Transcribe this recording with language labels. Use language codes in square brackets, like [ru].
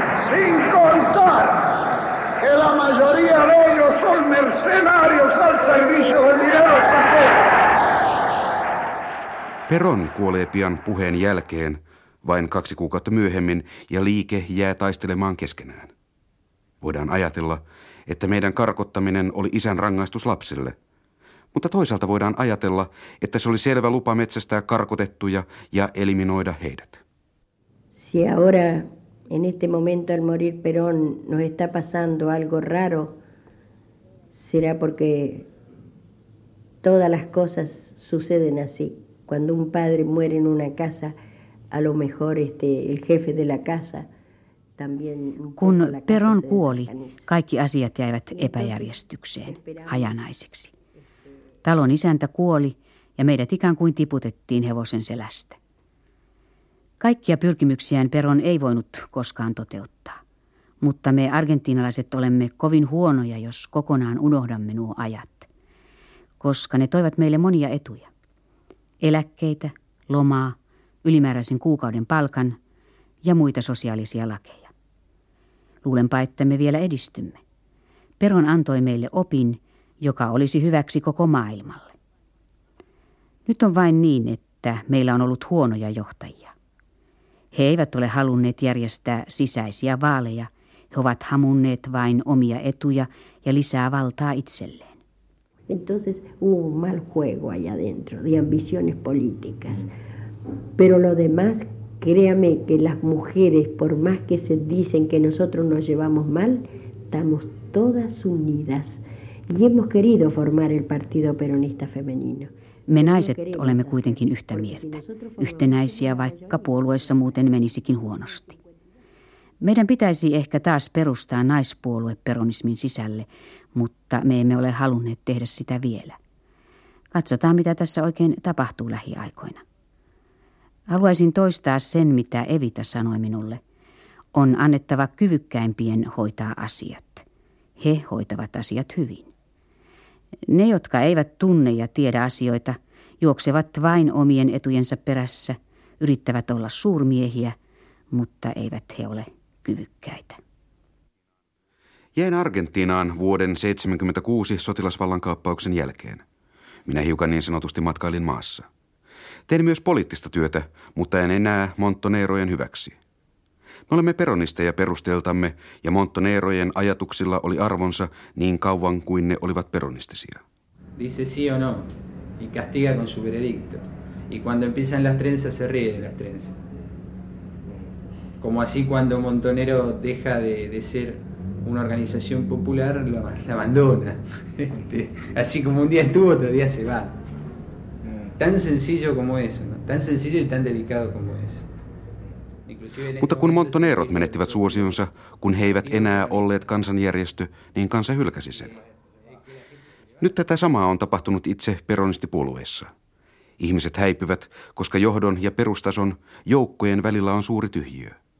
[es] Sin contar que la mayoría de ellos son mercenarios al servicio del dinero extranjero. [fi] Perón kuolee pian puheen jälkeen, vain 2 kuukautta myöhemmin, ja liike jää taistelemaan keskenään. Voidaan ajatella, että meidän karkottaminen oli isän rangaistus lapsille. Mutta toisaalta voidaan ajatella, että se oli selvä lupa metsästää karkotettuja ja eliminoida heidät. [es] Si ahora, en este momento al morir Perón, nos está pasando algo raro, será porque todas las cosas suceden así. Cuando un padre muere en una casa, a lo mejor el jefe de la casa también... [fi] Kun Perón kuoli, kaikki asiat jäivät epäjärjestykseen, hajanaiseksi. Talon isäntä kuoli ja meidät ikään kuin tiputettiin hevosen selästä. Kaikkia pyrkimyksiään Perón ei voinut koskaan toteuttaa. Mutta me argentiinalaiset olemme kovin huonoja, jos kokonaan unohdamme nuo ajat. Koska ne toivat meille monia etuja. Eläkkeitä, lomaa, ylimääräisen kuukauden palkan ja muita sosiaalisia lakeja. Luulenpa, että me vielä edistymme. Perón antoi meille opin, joka olisi hyväksi koko maailmalle. Nyt on vain niin, että meillä on ollut huonoja johtajia. He eivät ole halunneet järjestää sisäisiä vaaleja. He ovat hamunneet vain omia etuja ja lisää valtaa itselleen. [es] Entonces hubo un mal juego allá dentro de ambiciones políticas. Pero lo demás, créame que las mujeres, por más que se dicen que nosotros nos llevamos mal, estamos todas unidas y hemos querido formar el Partido Peronista Femenino. [fi] Me naiset olemme kuitenkin yhtä mieltä. Yhtenäisiä, vaikka puolueessa muuten menisikin huonosti. Meidän pitäisi ehkä taas perustaa naispuolue peronismin sisälle, mutta me emme ole halunneet tehdä sitä vielä. Katsotaan, mitä tässä oikein tapahtuu lähiaikoina. Haluaisin toistaa sen, mitä Evita sanoi minulle. On annettava kyvykkäimpien hoitaa asiat. He hoitavat asiat hyvin. Ne, jotka eivät tunne ja tiedä asioita, juoksevat vain omien etujensa perässä, yrittävät olla suurmiehiä, mutta eivät he ole kyvykkäitä. Jäin Argentiinaan vuoden 1976 sotilasvallankaappauksen jälkeen. Minä hiukan niin sanotusti matkailin maassa. Tein myös poliittista työtä, mutta en enää Montonerojen hyväksi. Me olemme peronisteja perusteeltamme, ja Montonerojen ajatuksilla oli arvonsa niin kauan kuin ne olivat peronistisia. [es] Dice sí o no, y castiga con su veredicto. Y cuando empiezan las trenzas, se ríe de las trenzas. Como así cuando Montonero deja de ser una organización popular, la abandona. Así como un día estuvo, otro día se va. Tan sencillo como eso, ¿no? Tan sencillo y tan delicado como eso. [fi] Mutta kun Montonerot menettivät suosionsa, kun he eivät enää olleet kansanjärjestö, niin kansa hylkäsi sen. Nyt tätä samaa on tapahtunut itse peronistipuolueessa. Ihmiset häipyvät, koska johdon ja perustason joukkojen välillä on suuri tyhjiö.